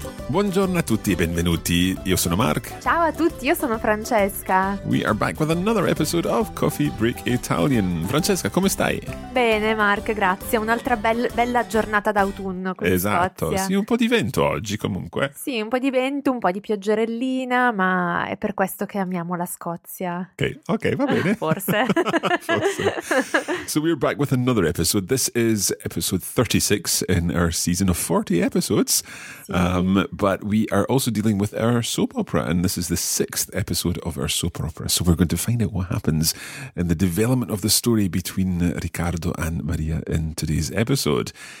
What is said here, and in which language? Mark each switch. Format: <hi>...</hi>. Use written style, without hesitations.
<it>Buongiorno a tutti e benvenuti. Io sono Mark. Ciao a tutti, io sono Francesca.</it> <en>We are back with another episode of Coffee Break Italian.</en> <it>Francesca, come stai? Bene, Mark, grazie. Un'altra bella giornata d'autunno. Esatto, Scozia. Sì, un po' di vento oggi comunque. Sì, un po' di vento, un po' di pioggerellina, ma è per questo che amiamo la Scozia. Ok, va bene. Forse. Forse.</it> <en>So we are back with another episode. This is episode 36 in our season of 40 episodes. But we are also dealing with our soap opera, and this is the sixth episode of our soap opera. So we're going to find out what happens in the development of the story between Riccardo and Maria in today's episode.</en>